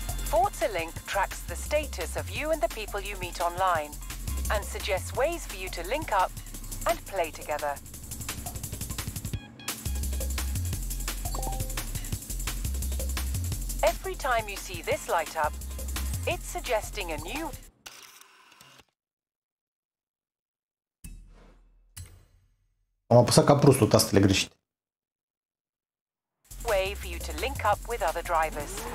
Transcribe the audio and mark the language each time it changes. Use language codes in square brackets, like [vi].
[en] ForzaLink tracks the status of you and the people you meet online and suggests ways for you to link up and play together. Every time you see this light up, it's suggesting a new... [ro] Am apăsat ca prostul tastele greșite. [en] ...way for you to link up with other drivers.